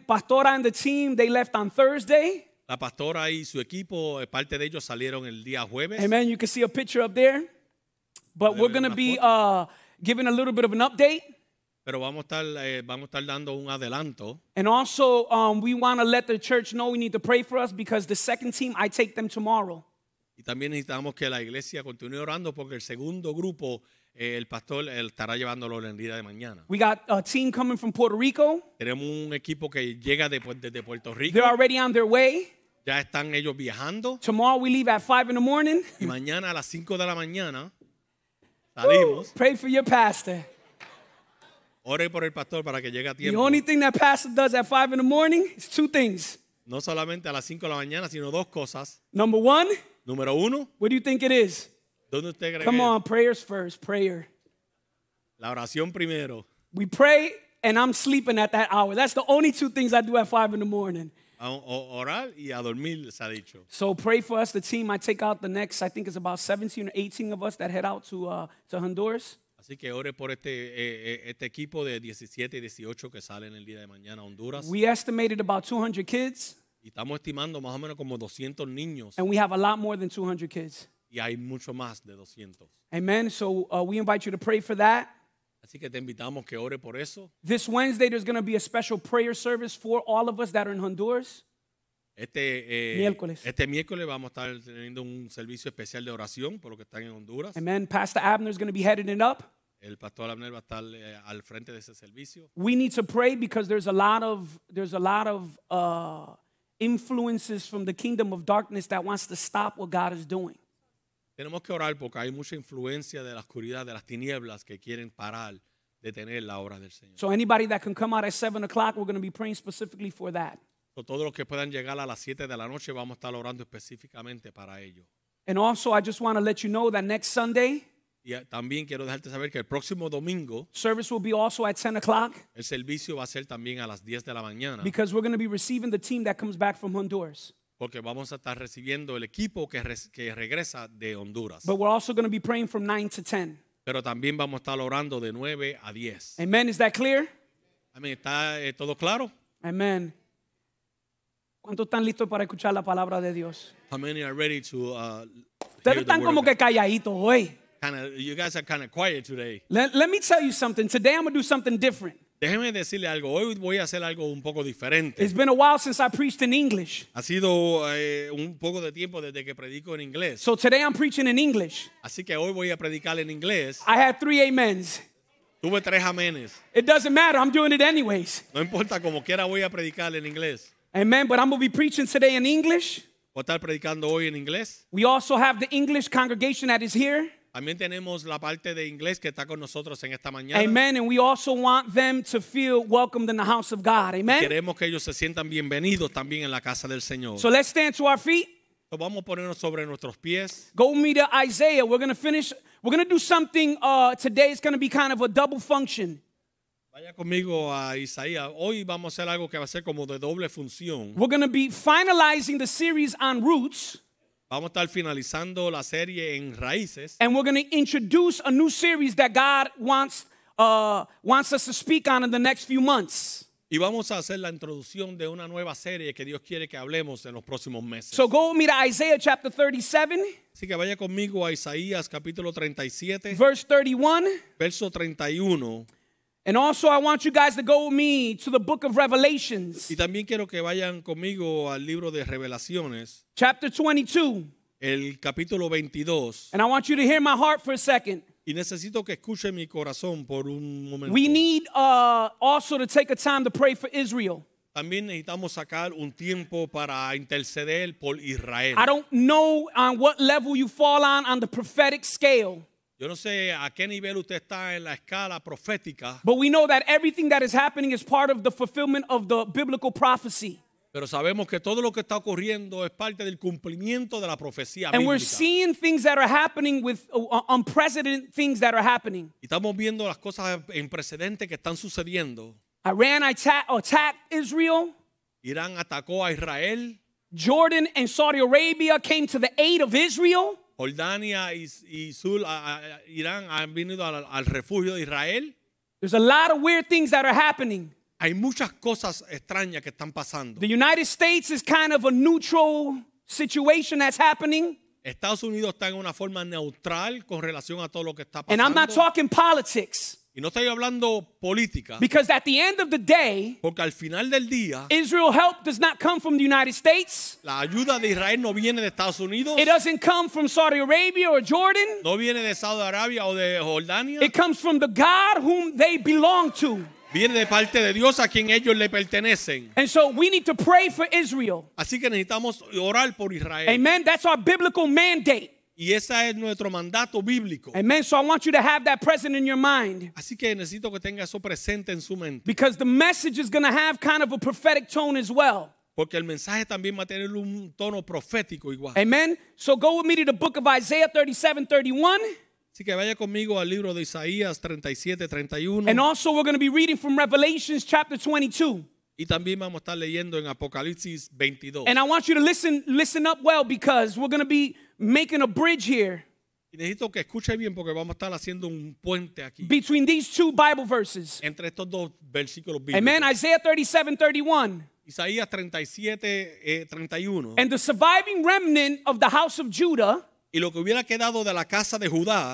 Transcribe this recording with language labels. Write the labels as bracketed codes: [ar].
[en] Pastora and the team, they left on Thursday. [es] La pastora y su equipo, parte de ellos salieron el día jueves. [en] Amen. You can see a picture up there. But we're going to be giving a little bit of an update. [es] Pero vamos a estar dando un adelanto. [en] And also, we want to let the church know we need to pray for us because the second team, I take them tomorrow. [es] Y también necesitamos que la iglesia continúe orando porque el segundo grupo, el pastor, él estará llevándolo el día de mañana. [en] We got a team coming from Puerto Rico. [es] Tenemos un equipo que llega desde Puerto Rico. [en] They're already on their way. [es] Ya están ellos viajando. [en] Tomorrow we leave at 5 in the morning. [es] Y mañana a las 5 de la mañana. [en] Pray for your pastor. [es] Ore por el pastor para que llegue a tiempo. [en] The only thing that pastor does at 5 in the morning is two things. [es] No solamente a las 5 de la mañana, sino dos cosas. [en] Number one. [es] Número uno. [en] What do you think it is? [es] ¿Dónde usted cree? [en] Come on, prayers first, prayer. [es] La oración primero. [en] We pray and I'm sleeping at that hour. That's the only two things I do at 5 in the morning. [es] Orar y a dormir, se ha dicho. [en] So pray for us, the team. I take out the next, I think it's about 17 or 18 of us that head out to Honduras. [es] Así que ore por este equipo de 17 y 18 que salen el día de mañana a Honduras. [en] We estimated about 200 kids. [es] Y estamos estimando más o menos como 200 niños. [en] And we have a lot more than 200 kids. [es] Y hay mucho más de 200. [en] Amen. So we invite you to pray for that. [es] Así que te invitamos que ore por eso. [en] This Wednesday there's going to be a special prayer service for all of us that are in Honduras. [es] Este miércoles vamos a estar teniendo un servicio especial de oración por los que están en Honduras. [en] Amen. Pastor Abner is going to be heading it up. [es] El pastor Abner va a estar al frente de ese servicio. [en] We need to pray because there's a lot of influences from the kingdom of darkness that wants to stop what God is doing. [es] Tenemos que orar porque hay mucha influencia de la oscuridad, de las tinieblas que quieren parar, detener la obra del Señor. [en] So anybody that can come out at 7 o'clock, we're going to be praying specifically for that. [es] So todos los que puedan llegar a las 7 de la noche, vamos a estar orando específicamente para ello. [en] And also, I just want to let you know that next Sunday, [es] y también quiero dejarte saber que el próximo domingo, [en] service will be also at 10 o'clock. [es] El servicio va a ser también a las 10 de la mañana. [en] Because we're going to be receiving the team that comes back from Honduras. [es] Porque vamos a estar recibiendo el equipo que regresa de Honduras. [en] But we're also going to be praying from 9 to 10. [es] Pero también vamos a estar orando de 9 a 10. [en] Amen, is that clear? [es] Amen, ¿está todo claro? Amen. ¿Cuántos están listos para escuchar la palabra de Dios? [en] How many are ready to hear the word? [es] Están como que calladitos hoy. [en] You guys are kind of quiet today. Let me tell you something. Today I'm going to do something different. [es] Déjeme decirle algo. Hoy voy a hacer algo un poco diferente. [en] It's been a while since I preached in English. [es] Ha sido un poco de tiempo desde que predico en inglés. [en] So today I'm preaching in English. [es] Así que hoy voy a predicar en inglés. [en] I had 3 amens. [es] Tuve 3 amenes. [en] It doesn't matter. I'm doing it anyways. [es] No importa, como quiera voy a predicar en inglés. [en] Amen. But I'm going to be preaching today in English. [es] Voy a estar predicando hoy en inglés. [en] We also have the English congregation that is here. [es] También tenemos la parte de inglés que está con nosotros en esta mañana. Amen. [en] And we also want them to feel welcomed in the house of God. Amen. [es] Queremos que ellos se sientan bienvenidos también en la casa del Señor. [en] So let's stand to our feet. [es] Lo vamos a ponernos sobre nuestros pies. [en] Go with me to Isaiah. We're going to finish. We're going to do something today. It's going to be kind of a double function. [es] Vaya conmigo a Isaías. Hoy vamos a hacer algo que va a ser como de doble función. [en] We're going to be finalizing the series on roots. [es] Vamos a estar finalizando la serie en Raíces. [en] And we're going to introduce a new series that God wants us to speak on in the next few months. [es] Y vamos a hacer la introducción de una nueva serie que Dios quiere que hablemos en los próximos meses. [en] So go with me to Isaiah chapter 37. [es] Así que vaya conmigo a Isaías capítulo 37. [en] Verse 31. [es] Verso 31. [en] And also I want you guys to go with me to the book of Revelations. [es] Y también quiero que vayan conmigo al libro de Revelaciones. [en] Chapter 22. [es] El capítulo 22. [en] And I want you to hear my heart for a second. [es] Y necesito que escuche mi corazón por un momento. [en] We need also to take a time to pray for Israel. [es] También necesitamos sacar un tiempo para interceder por Israel. [en] I don't know on what level you fall on the prophetic scale. [es] Yo no sé a qué nivel usted está en la escala profética. [en] But we know that everything that is happening is part of the fulfillment of the biblical prophecy. [es] Pero sabemos que todo lo que está ocurriendo es parte del cumplimiento de la profecía [en] bíblica. And we're seeing things that are happening with unprecedented things that are happening. [es] Y estamos viendo las cosas en precedente que están sucediendo. [en] Iran attacked Israel. [es] Irán atacó a Israel. [en] Jordan and Saudi Arabia came to the aid of Israel. [es] Jordania y Sul, Irán han venido al refugio de Israel. [en] There's a lot of weird things that are happening. [es] Hay muchas cosas extrañas que están pasando. [en] The United States is kind of a neutral situation that's happening. [es] Estados Unidos está en una forma neutral con relación a todo lo que está pasando. [en] And I'm not talking politics. [es] Y no estoy hablando política. [en] Because at the end of the day, [es] porque al final del día, [en] Israel help does not come from the United States. [es] La ayuda de Israel no viene de Estados Unidos. [en] It doesn't come from Saudi Arabia or Jordan. [es] No viene de Saudi Arabia o de Jordania. [en] It comes from the God whom they belong to. [es] Viene de parte de Dios a quien ellos le pertenecen. [en] And so we need to pray for Israel. [es] Así que necesitamos orar por Israel. [en] Amen. That's our biblical mandate. [es] Y ese es nuestro mandato bíblico. Amen. [en] So I want you to have that present in your mind. [es] Así que necesito que tenga eso presente en su mente. [en] Because the message is going to have kind of a prophetic tone as well. [es] Porque el mensaje también va a tener un tono profético igual. Amen. [en] So go with me to the book of Isaiah 37:31. [es] Así que vaya conmigo al libro de Isaías 37:31. [en] And also we're going to be reading from Revelation chapter 22. [es] Y también vamos a estar leyendo en Apocalipsis 22. [en] And I want you to listen up well, because we're going to be making a bridge here. [es] Y necesito que escuche bien, porque vamos a estar haciendo un puente aquí. [en] Between these two Bible verses. [es] Entre estos dos versículos bíblicos. [en] Amen. Isaiah 37:31. [es] Isaías 37:31. [en] And the surviving remnant of the house of Judah. [es] Y lo que hubiera quedado de la casa de Judá.